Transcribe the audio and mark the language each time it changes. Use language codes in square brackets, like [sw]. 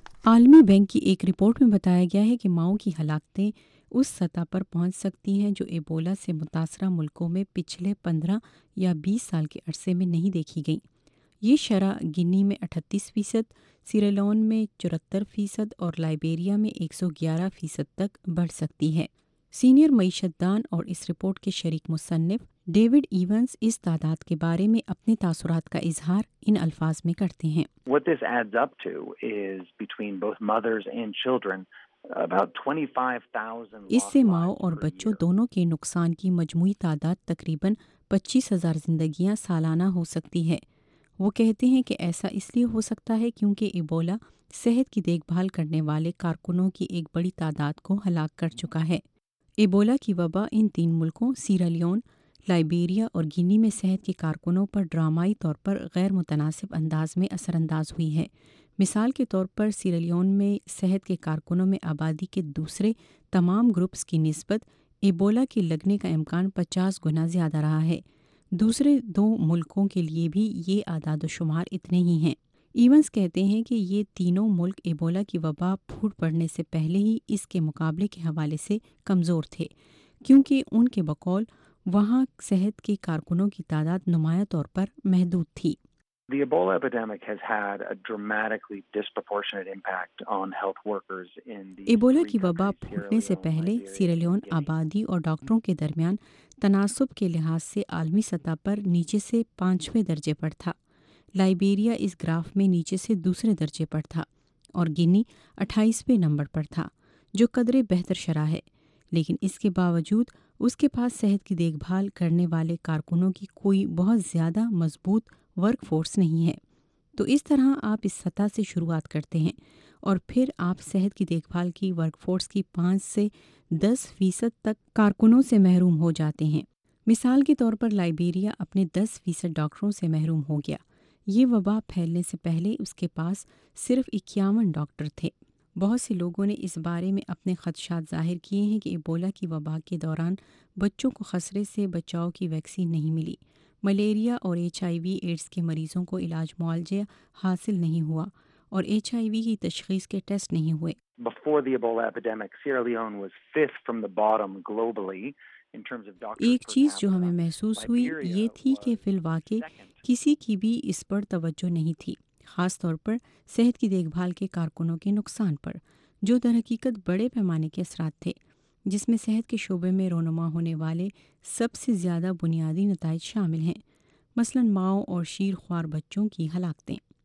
[ur] عالمی بینک کی ایک رپورٹ میں بتایا گیا ہے کہ ماؤں کی ہلاکتیں اس سطح پر پہنچ سکتی ہیں جو ایبولا سے متاثرہ ملکوں میں پچھلے 15 یا 20 سال کے عرصے میں نہیں دیکھی گئیں۔ یہ شرح گنی میں 38%، سیرالون میں 74% اور لائبیریا میں 111% تک بڑھ سکتی ہے۔ سینئر معیشت دان اور اس رپورٹ کے شریک مصنف ڈیوڈ ایونز اس تعداد کے بارے میں اپنے تاثرات کا اظہار ان الفاظ میں کرتے ہیں۔ [en] What this adds up to is between both mothers and children, [ur] اس سے ماؤں اور بچوں دونوں کے نقصان کی مجموعی تعداد تقریباً 25,000 زندگیاں سالانہ ہو سکتی ہے۔ وہ کہتے ہیں کہ ایسا اس لیے ہو سکتا ہے کیونکہ ایبولا صحت کی دیکھ بھال کرنے والے کارکنوں کی ایک بڑی تعداد کو ہلاک کر چکا ہے۔ ایبولا کی وبا ان 3 ملکوں سیرالیون، لائبیریا اور گینی میں صحت کے کارکنوں پر ڈرامائی طور پر غیر متناسب انداز میں اثر انداز ہوئی ہے۔ مثال کے طور پر سیرالیون میں صحت کے کارکنوں میں آبادی کے دوسرے تمام گروپس کی نسبت ایبولا کے لگنے کا امکان 50 گنا زیادہ رہا ہے۔ دوسرے 2 ملکوں کے لیے بھی یہ اعداد و شمار اتنے ہی ہیں۔ ایونز کہتے ہیں کہ یہ 3 ملک ایبولا کی وبا پھوٹ پڑنے سے پہلے ہی اس کے مقابلے کے حوالے سے کمزور تھے، کیونکہ ان کے بقول وہاں صحت کے کارکنوں کی تعداد نمایاں طور پر محدود تھی۔ [en] The Ebola epidemic has had a dramatically disproportionate impact on health workers in the [ur] Ebola کی وبا پھوٹنے سے پہلے سیرالیون آبادی اور ڈاکٹروں کے درمیان تناسب کے لحاظ سے عالمی سطح پر نیچے سے 5ویں درجے پر تھا۔ لائبیریا اس گراف میں نیچے سے 2ویں درجے پر تھا اور گنی 28ویں نمبر پر تھا، جو قدرے بہتر شرح ہے، لیکن اس کے باوجود اس کے پاس صحت کی دیکھ بھال کرنے والے کارکنوں کی کوئی بہت زیادہ مضبوط ورک فورس نہیں ہے۔ تو اس طرح آپ اس سطح سے شروعات کرتے ہیں اور پھر آپ صحت کی دیکھ بھال کی ورک فورس کی 5 سے 10% تک کارکنوں سے محروم ہو جاتے ہیں۔ مثال کے طور پر لائبیریا اپنے 10% ڈاکٹروں سے محروم ہو گیا۔ یہ وبا پھیلنے سے پہلے اس کے پاس صرف 51 ڈاکٹر تھے۔ بہت سے لوگوں نے اس بارے میں اپنے خدشات ظاہر کیے ہیں کہ ایبولا کی وبا کے دوران بچوں کو خسرے سے بچاؤ کی ویکسین نہیں ملی، ملیریا اور ایچ آئی وی ایڈس کے مریضوں کو علاج معالجہ حاصل نہیں ہوا اور ایچ آئی وی کی تشخیص کے ٹیسٹ نہیں ہوئے۔ [en] Before the Ebola epidemic, Sierra Leone was fifth from the bottom globally in terms of doctors. [ur] ایک چیز جو ہمیں محسوس ہوئی یہ تھی کہ فی الواقع کسی کی بھی اس پر توجہ نہیں تھی، خاص طور پر صحت کی دیکھ بھال کے کارکنوں کے نقصان پر، جو در حقیقت بڑے پیمانے کے اثرات تھے جس میں صحت کے شعبے میں رونما ہونے والے سب سے زیادہ بنیادی نتائج شامل ہیں، مثلاً ماؤں اور شیر خوار بچوں کی ہلاکتیں۔